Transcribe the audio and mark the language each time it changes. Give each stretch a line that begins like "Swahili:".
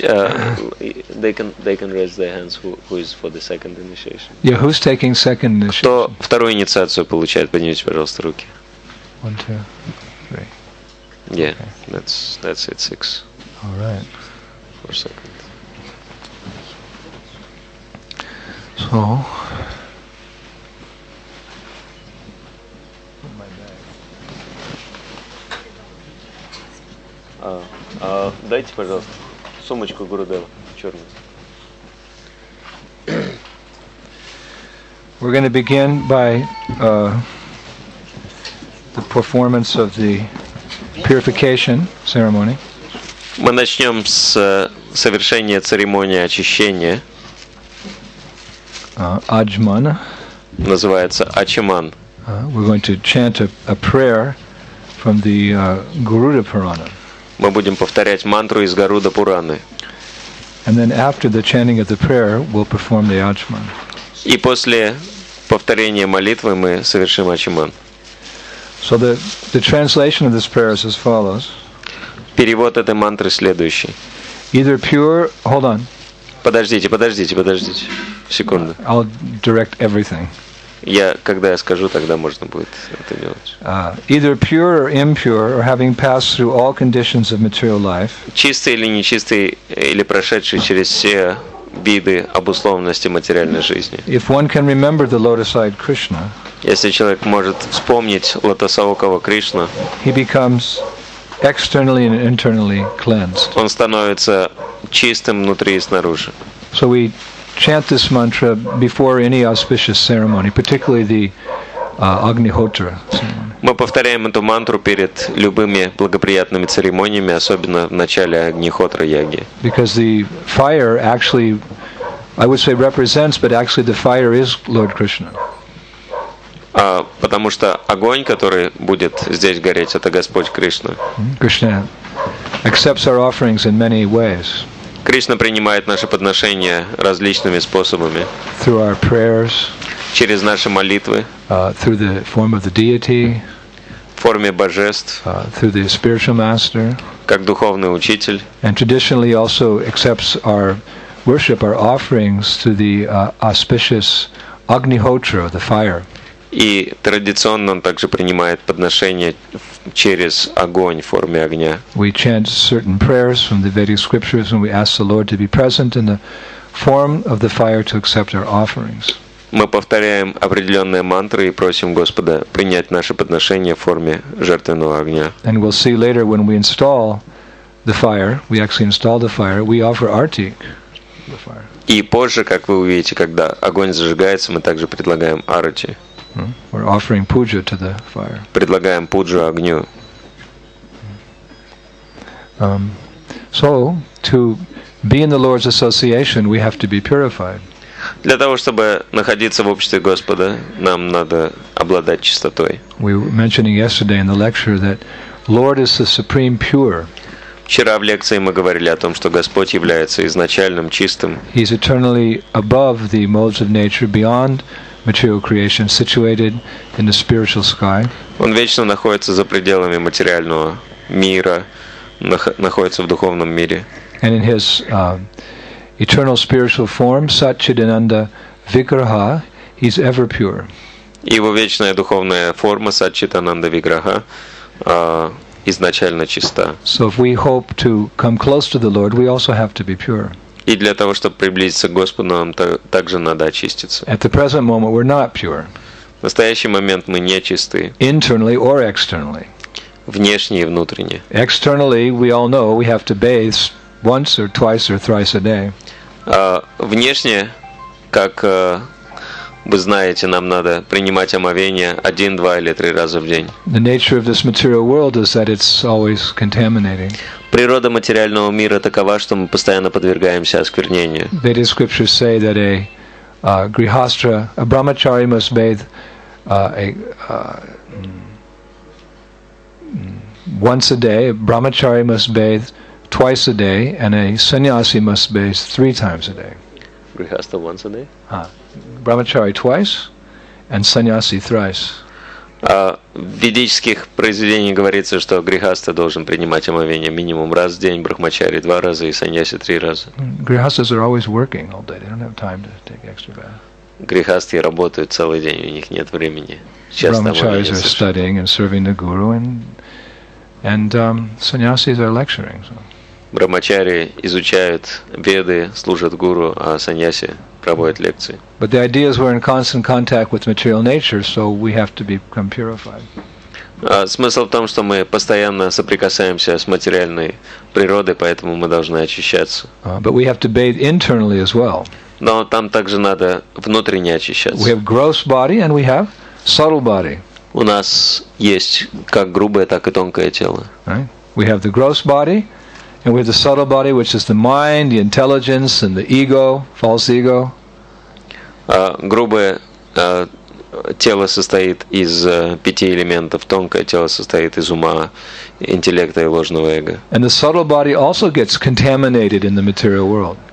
English: They can raise their hands who is for the second initiation. Yeah, who's taking second initiation?
Russian: Кто вторую инициацию получает? Поднимите, пожалуйста, руки.
English: One, two, three. Yeah, okay. That's it, six. All right. For a second. So...
Russian: Дайте, пожалуйста, сумочку Гурудева, черную.
English: We're going to begin by the performance of the purification ceremony.
Russian: Мы начнем с совершения церемонии очищения. Аджман. Называется Ачиман.
English: We're going to chant a prayer from the Garuda Purana.
Russian: Мы будем повторять мантру из Гаруда Пураны.
English: And then after the chanting of the prayer, we'll perform the Ачиман.
Russian: И после повторения молитвы мы совершим Ачиман.
English: So the translation of this prayer is as follows.
Russian: Перевод этой мантры следующий.
English: Either pure, hold on.
Russian: Подождите. Секунду.
English: I'll direct everything.
Russian: Я, когда я скажу, тогда можно будет это делать.
English: Either pure or impure, or having passed through all conditions of material life.
Russian: Чистый или нечистый, или прошедший через все виды обусловленности материальной жизни.
English: If one can remember the lotus-eyed Krishna,
Russian: если человек может вспомнить лотосоокого Кришну,
English: he becomes externally and internally cleansed.
Russian: Он становится чистым внутри и снаружи.
English: So we chant this mantra before any auspicious ceremony, particularly the Agnihotra ceremony.
Russian: Мы повторяем эту мантру перед любыми благоприятными церемониями, особенно в начале Агнихотра Яги.
English: Because the fire actually, I would say represents, but actually the fire is Lord Krishna.
Russian: Потому что огонь, который будет здесь гореть, это Господь Кришна.
English: Krishna accepts our offerings in many ways.
Russian: Кришна принимает наши подношения различными способами.
English: Through our prayers,
Russian: через наши молитвы.
English: Through the form of the deity,
Russian: в форме божеств.
English: Through the spiritual master,
Russian: как духовный учитель.
English: And traditionally also accepts our worship, our offerings to the auspicious Agnihotra, the fire.
Russian: И традиционно он также принимает подношения через огонь в форме огня.
English: We chant certain prayers from the Vedic scriptures and we ask the Lord to be present in the form of the fire to accept our offerings.
Russian: Мы повторяем определенные мантры и просим Господа принять наши подношения в форме жертвенного огня.
English: And we'll see later when we install the fire, we actually install the fire, we offer artik.
Russian: И позже, как вы увидите, когда огонь зажигается, мы также предлагаем арати.
English: We're offering puja to the fire.
Russian: Предлагаем пуджу огню.
English: So to be in the Lord's association, we have to be purified.
Russian: Для того чтобы находиться в обществе Господа, нам надо обладать чистотой.
English: We were mentioning yesterday in the lecture that Lord is the supreme pure.
Russian: Вчера в лекции мы говорили о том, что Господь является изначальным чистым.
English: He is eternally above the modes of nature, beyond material creation, situated in the spiritual sky.
Russian: Он вечно находится за пределами материального мира, находится в духовном мире.
English: And in his eternal spiritual form, Satchidananda Vigraha, he's ever pure.
Russian: И его вечная духовная форма Satchidananda Vigraha изначально чиста.
English: So if we hope to come close to the Lord, we also have to be pure.
Russian: И для того, чтобы приблизиться к Господу, нам также надо очиститься.
English: At the present moment, we're not pure.
Russian: В настоящий момент мы не чисты.
English: Internally or externally.
Russian: Внешне и внутренне.
English: Externally, we all know we have to bathe once or twice or thrice a day.
Russian: Внешне, как вы знаете, нам надо принимать омовение один, два или три раза в день.
English: The nature of this material world is that it's always contaminating.
Russian: Природа материального мира такова, что мы постоянно подвергаемся осквернению.
English: Vedic scriptures say that a grihastha, a brahmachari must bathe once a day, a brahmachari must bathe twice a day, and a sannyasi must bathe three times a day. Grihastha once a day? Brahmachari twice, and sannyasi thrice.
Russian: В ведических произведениях говорится, что грихаста должен принимать омовение минимум раз в день, брахмачари два раза и саньяси три раза.
English: Grihasthas are always working all day. They don't have time to take extra bath.
Russian: Грихасты работают целый день, у них нет времени.
English: Brahmacharis are studying and serving the guru, and sannyasis are lecturing.
Russian: Брахмачари изучают веды, служат гуру, а саньяси проводят лекции.
English: But the idea is we're in constant contact with material nature, so we have to become purified.
Russian: Смысл в том, что мы постоянно соприкасаемся с материальной природой, поэтому мы должны очищаться.
English: But we have to bathe internally as well.
Russian: Но там также надо внутренне очищаться.
English: We have gross body and we have subtle body.
Russian: У нас есть как грубое, так и тонкое тело.
English: We have the gross body. And we have the subtle body, which is the mind, the intelligence, and the ego, false ego.
Russian: Грубое тело состоит из пяти элементов. Тонкое тело состоит из ума, интеллекта и ложного эго.
English: And the subtle body also gets contaminated in the material world.